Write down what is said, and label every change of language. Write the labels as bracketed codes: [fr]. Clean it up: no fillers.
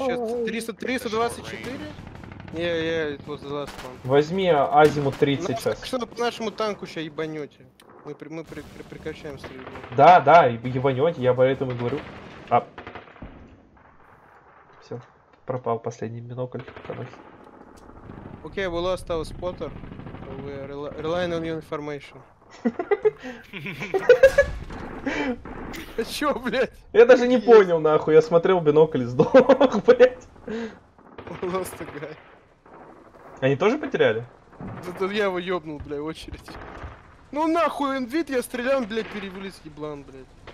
[ru] Сейчас 324? Я вот за вас. Возьми азиму 30 сейчас. Что вы по нашему танку сейчас ебанете? Мы прекращаем стрельбу. Да, да, ебанете, я поэтому и говорю. А. Все, пропал последний бинокль. [en] Окей, we lost our spotter. We rely on your information. [ru] Че, блядь? Я даже не понял, нахуй, я смотрел бинокль и сдох, блядь. [en] We lost a guy. [ru] Они тоже потеряли? Да я его ебнул, бля, очередь. Ну нахуй, инвит, я стрелял, блядь, перевелись, еблан, блядь.